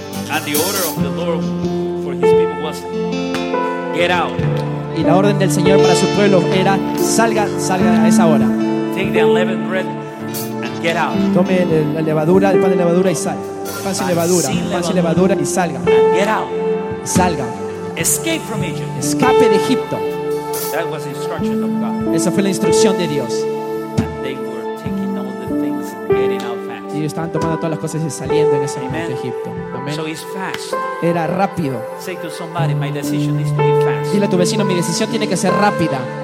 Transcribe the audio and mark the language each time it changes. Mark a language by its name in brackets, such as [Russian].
[English] and the order of the Lord for his people was, get out. [Spanish] Y la orden del Señor para su pueblo era, salga a esa hora. [English] Take the unleavened bread and get out. [Spanish] Tome la levadura, el pan de levadura y salga. Pan sin levadura y salga. [English] And get out. [Spanish] Salga. [English] Escape from Egypt. [Spanish] Escape de Egipto. [English] That was the instruction of God. [Spanish] Esa fue la instrucción de Dios. [English] And they were taking all the things and getting out fast. [Spanish] Y ellos estaban tomando todas las cosas y saliendo en ese momento de Egipto. [English] Amen. So it's fast. [Spanish] Era rápido. [English] Say to somebody, my decision is to be fast. [Spanish] Dile a tu vecino, mi decisión tiene que ser rápida.